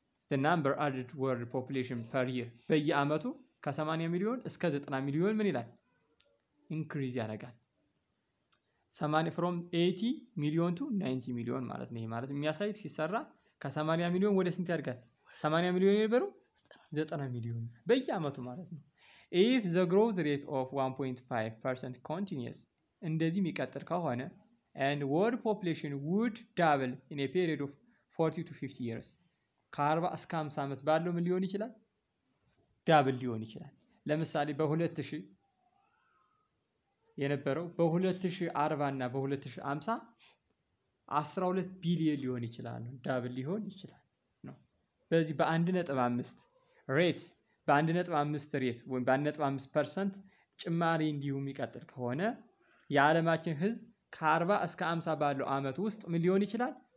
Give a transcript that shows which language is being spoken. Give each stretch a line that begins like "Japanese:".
English: The number added to world population per year.
Amharic: በየአመቱ ከ80 ሚሊዮን እስከ 90 ሚሊዮን ምን ይላል? ኢንክሪዝ ያደርጋል።
English: From 80 million to 90 million
Amharic: ማለት ነው። ይሄ ማለት የሚያሳይ ሲሰራ ከ80 ሚሊዮን ወደ ስንት ያድጋል? 80 ሚሊዮን ይበሩ 90 ሚሊዮን በየአመቱ ማለት ነው።
English: If the growth rate of 1.5% continues,
Amharic: እንደዚህ የሚቀጥል ከሆነ,
English: and world population would double in a period of 40 to 50 years.
Amharic: ከ40 እስከ 50 ዓመት ባለው ምን ሊሆን ይችላል? ዳብል ሊሆን ይችላል። ለምሳሌ በ2000 የነበረው በ2040 እና በ2050 12 ቢሊዮን ሊሆን ይችላል ነው። ዳብል ሊሆን ይችላል ነው። በዚህ በ1.5% ጭማሪ እንዲሁ የሚቀጥል ከሆነ የዓለማችን ህዝብ ከ40 እስከ 50 ባለው ዓመት ውስጥ ምን ሊሆን ይችላል?